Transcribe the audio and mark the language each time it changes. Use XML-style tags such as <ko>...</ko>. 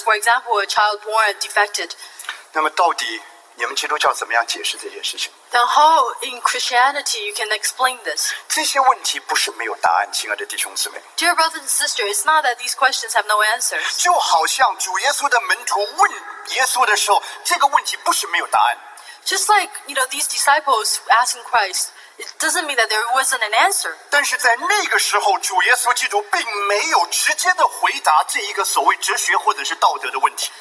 <en>For example, a child born defected.</en> <zh>那么到底你们基督教怎么样解释这些事情？</zh> <en>Then how in Christianity you can explain this?</en> <zh>这些问题不是没有答案，亲爱的弟兄姊妹。</zh> <en>Dear brothers and sisters, it's not that these questions have no answers.</en> <zh>就好像主耶稣的门徒问耶稣的时候，这个问题不是没有答案。</zh> <en>Just like you know, these disciples asking Christ. It doesn't mean that there wasn't an answer.</en> <zh>但是在那个时候，主耶稣基督并没有直接的回答这一个所谓哲学或者是道德的问题。</zh>